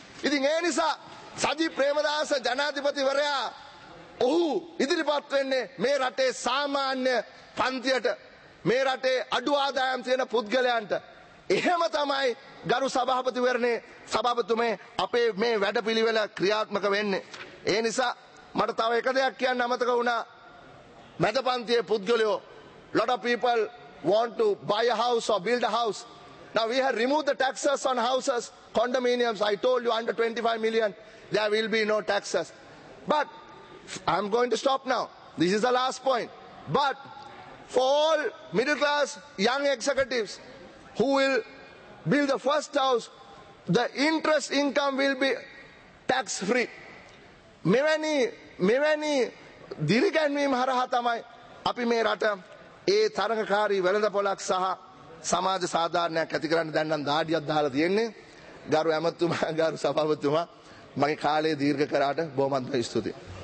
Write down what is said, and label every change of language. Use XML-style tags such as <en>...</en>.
<si>ඉතින් ඒ නිසා සජී ප්‍රේමදාස ජනාධිපතිවරයා ඔහු ඉදිරිපත් වෙන්නේ මේ රටේ සාමාන්‍ය පන්තියට, මේ රටේ අඩු ආදායම් තියෙන පුද්ගලයන්ට. එහෙම තමයි ගරු සභාපතිවරණේ සභාපතිතුමේ අපේ මේ වැඩපිළිවෙල ක්‍රියාත්මක වෙන්නේ. ඒ නිසා මට තව එක දෙයක් කියන්න අමතක වුණා. මැද පන්තියේ පුද්ගලයෝ,</si> <en>lot of people want to buy a house or build a house. Now we have removed the taxes on houses, condominiums. I told you under 25 million, there will be no taxes. But I'm going to stop now. This is the last point. But for all middle class young executives who will build the first house, the interest income will be tax free.</en> <si>මෙවැනි දිරිගැන්වීම හරහා තමයි අපි මේ රට ඒ තරඟකාරී වෙළඳපොළක් සහ සමාජ සාධාරණයක් ඇති කරන්න දැන් නම් දාඩියක් දාලා තියෙන්නේ. ගරු ඇමතුමා, ගරු සභාපතිතුමා, මගේ කාලය දීර්ඝ කරාට බොහොමත්ම ස්තුතියි.</si>